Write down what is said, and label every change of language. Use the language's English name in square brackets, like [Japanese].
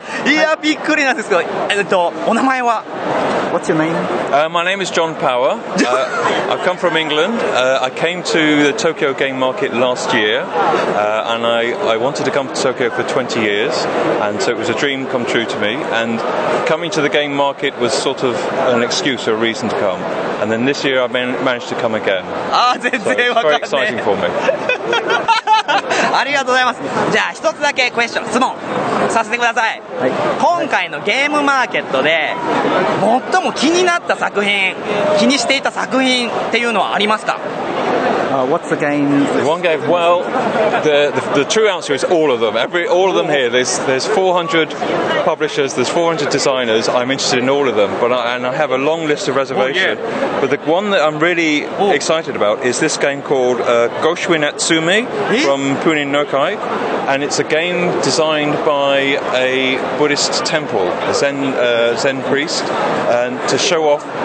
[Japanese] いや、びっくりなんですけど、お名前は？ [English] What's your name? My name is John Power. I come from England. I came to the Tokyo game market last year, and I wanted to come to Tokyo for 20 years, and so it was a dream come true to me. And coming to the game market was sort of an excuse or a reason to come. And then this year I managed to come again. [Japanese] Ah, 全然わかんない。 [English] So it's very exciting for me. [Japanese] ありがとうございます。じゃあ一つだけクエスチョン、質問させてください、はい、今回のゲームマーケットで最も気になった作品、気にしていた作品っていうのはありますか。 [English] What's the game? One game. Well, the true answer is all of them. All of them here. There's 400 publishers. There's 400 designers. I'm interested in all of them. But I have a long list of reservations. Oh, yeah. But the one that I'm really excited about is this game called Goshwin Atsumi from Punin Nokai, and it's a game designed by a Buddhist temple, a Zen priest, and to show off